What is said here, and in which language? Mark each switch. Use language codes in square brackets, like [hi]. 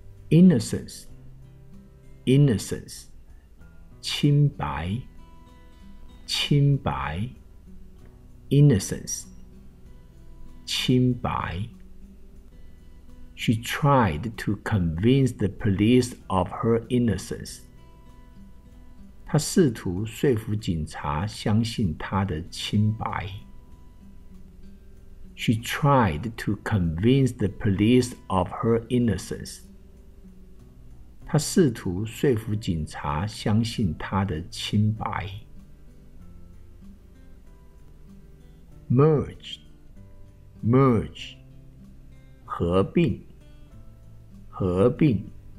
[en] Innocence, innocence, [zh] 清白，清白。 [en] Innocence, [zh] 清白。 [en] She tried to convince the police of her innocence. [zh] 她试图说服警察相信她的清白。 [en] She tried to convince the police of her innocence. [zh] 他试图说服警察相信他的清白。 [en] Merge, merge, [zh] 合并，合并。